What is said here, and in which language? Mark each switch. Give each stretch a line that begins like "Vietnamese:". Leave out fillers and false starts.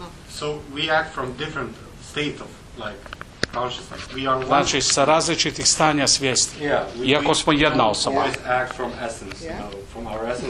English: so we act from different state of like consciousness. We are
Croatian: znači sa različitih stanja svijesti. Iako smo jedna osoba.
English: We act from essence, you know, from our essence.